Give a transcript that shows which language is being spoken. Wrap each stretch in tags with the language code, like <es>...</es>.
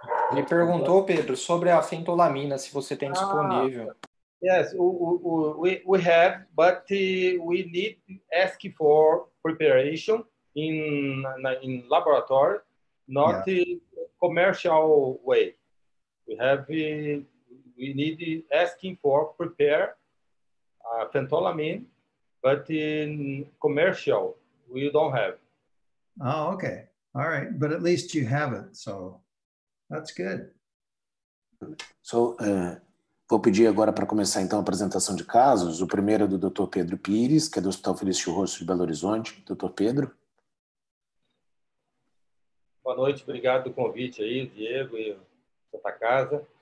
<pt>Ele perguntou, Pedro, sobre a fentolamina, se você tem disponível.</pt> <en>Yes, we have, but we need ask for preparation in laboratory, not commercial way. We need asking for prepare fentolamine, but in commercial we don't have. Oh, okay. All right, but at least you have it, so. That's good.</en> <pt>So, vou pedir agora para começar então a apresentação de casos. O primeiro é do Dr. Pedro Pires, que é do Hospital Felício Rosso de Belo Horizonte. Dr. Pedro. Boa noite, obrigado pelo convite aí, Diego e Santa Casa.</pt>